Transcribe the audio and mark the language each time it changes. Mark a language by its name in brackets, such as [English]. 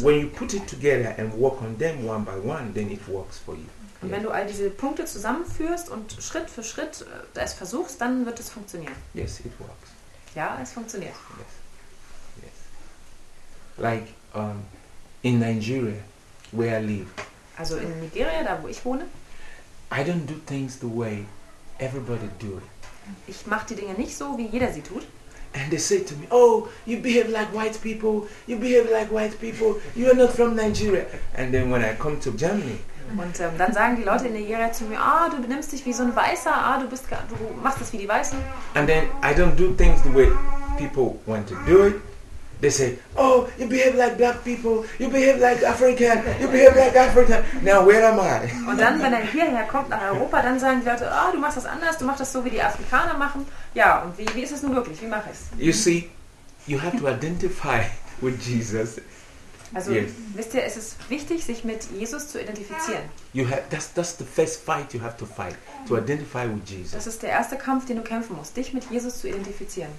[English] So when you put it together and work on them one by one, then it works for you. [German] Und wenn du all diese Punkte zusammenführst und Schritt für Schritt es versuchst, dann wird es funktionieren. [English] Yes, it works. [German] Ja, es funktioniert. [English] Yes. Yes. Like in Nigeria, where I live. [German] Also in Nigeria, da wo ich wohne. [English] I don't do things the way everybody do it. [German] Ich mache die Dinge nicht so, wie jeder sie tut. [English] And they say to me, oh, you behave like white people, you behave like white people, you are not from Nigeria. And then when I come to Germany, [German] und dann sagen die Leute in Nigeria zu mir, ah, du benimmst dich wie so ein Weißer, ah, du machst das wie die Weißen. [English] And then I don't do things the way people want to do it. They say, oh, you behave like black people, you behave like African, you behave like African. Now where am I? [German] Und dann, wenn er hierher kommt nach Europa, dann sagen die Leute, ah, oh, du machst das anders, du machst das so wie die Afrikaner machen. Ja, und wie ist es nun wirklich? Wie mache ich es? [English] You see, you have to identify with Jesus. [German] Also, [English] yes. [German] Wisst ihr, es ist wichtig, sich mit Jesus zu identifizieren. [English] That's the first fight you have to fight, to identify with Jesus. [German] Das ist der erste Kampf, den du kämpfen musst, dich mit Jesus zu identifizieren.